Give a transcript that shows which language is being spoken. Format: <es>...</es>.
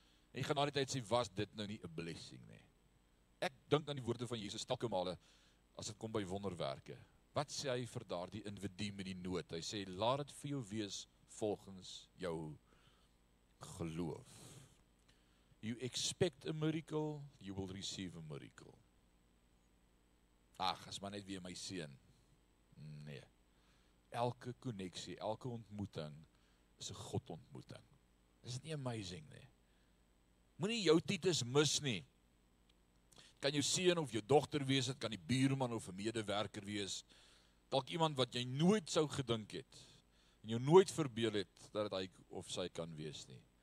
<af>En jy gaan na die tyd sê, was dit nou nie 'n blessing nie? Ek dink aan die woorde van Jesus telke male, as het kom by wonderwerke. Wat sê hy vir daar die individu met die nood? Hy sê, laat het vir jou wees volgens jou geloof.</af> <en>You expect a miracle, you will receive a miracle.</en> <af>Ach, is maar net weer my seun. Nee. Elke koneksie, elke ontmoeting is 'n God ontmoeting. Is dit nie amazing nie? Moenie jou Titus mis nie. Kan jou seun of jou dogter wees, het kan die buurman of 'n medewerker wees, dalk iemand wat jy nooit sou gedink het en jou nooit verbeel het dat het hy of sy kan wees nie.</af>